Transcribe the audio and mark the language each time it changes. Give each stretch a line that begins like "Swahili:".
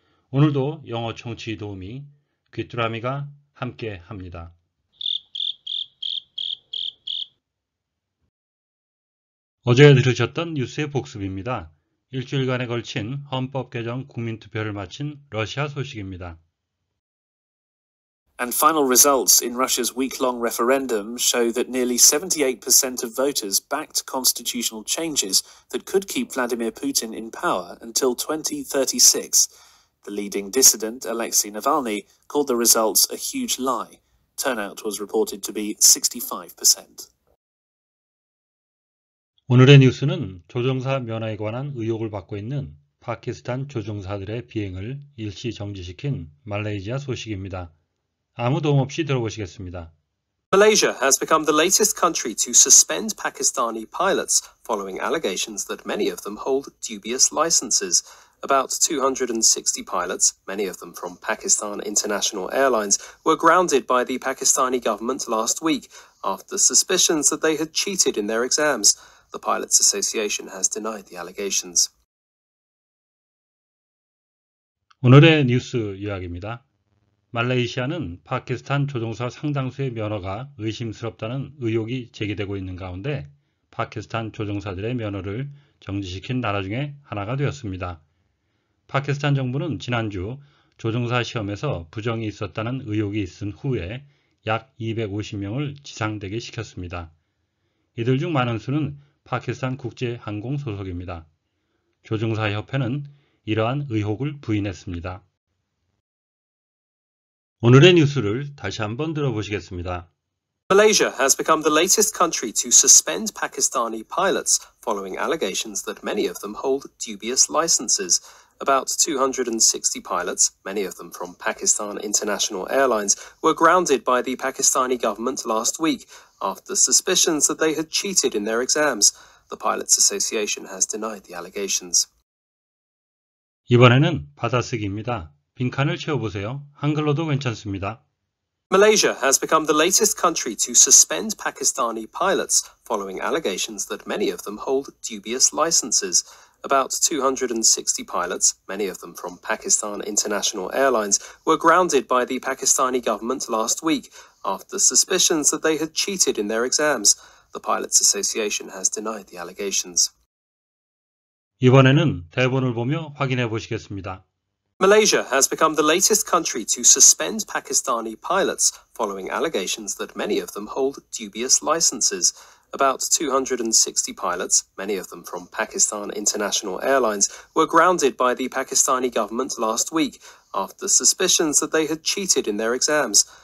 Korean: 오늘도 영어 청취 도우미 귀뚜라미가 함께 합니다. 어제 들으셨던 뉴스의 복습입니다. 일주일간에 걸친 헌법 개정 국민투표를 마친 러시아 소식입니다.
English: And final results in Russia's week-long referendum show that nearly 78% of voters backed constitutional changes that could keep Vladimir Putin in power until 2036. The leading dissident, Alexei Navalny, called the results a huge lie. Turnout was reported to be 65%.
Korean: 오늘의 뉴스는 조종사 면허에 관한 의혹을 받고 있는 파키스탄 조종사들의 비행을 일시 정지시킨 말레이시아 소식입니다. 아무 도움 없이 들어보시겠습니다.
English: Malaysia has become the latest country to suspend Pakistani pilots following allegations that many of them hold dubious licenses. About 260 pilots, many of them from Pakistan International Airlines, were grounded by the Pakistani government last week after suspicions that they had cheated in their exams. The Pilots Association has denied the allegations.
Korean: 오늘의 뉴스 요약입니다. 말레이시아는 파키스탄 조종사 상당수의 면허가 의심스럽다는 의혹이 제기되고 있는 가운데 파키스탄 조종사들의 면허를 정지시킨 나라 중에 하나가 되었습니다. 파키스탄 정부는 지난주 조종사 시험에서 부정이 있었다는 의혹이 있은 후에 약 250명을 지상되게 시켰습니다. 이들 중 많은 수는 파키스탄 국제항공 소속입니다. 조종사 협회는 이러한 의혹을 부인했습니다. 오늘의 뉴스를 다시 한번 들어보시겠습니다.
English: Malaysia has become the latest country to suspend Pakistani pilots following allegations that many of them hold dubious licenses. About 260 pilots, many of them from Pakistan International Airlines, were grounded by the Pakistani government last week after suspicions that they had cheated in their exams. The Pilots Association has denied the allegations.
Korean: 이번에는 받아쓰기입니다. 빈칸을 채워보세요. 한글로도 괜찮습니다.
English: Malaysia has become the latest country to suspend Pakistani pilots following allegations that many of them hold dubious licenses. About 260 pilots, many of them from Pakistan International Airlines, were grounded by the Pakistani government last week after suspicions that they had cheated in their exams. The Pilots Association has denied the allegations.
Korean: 이번에는 대본을 보며 확인해 보시겠습니다.
English: Malaysia has become the latest country to suspend Pakistani pilots following allegations that many of them hold dubious licenses. About 260 pilots, many of them from Pakistan International Airlines, were grounded by the Pakistani government last week after suspicions that they had cheated in their exams.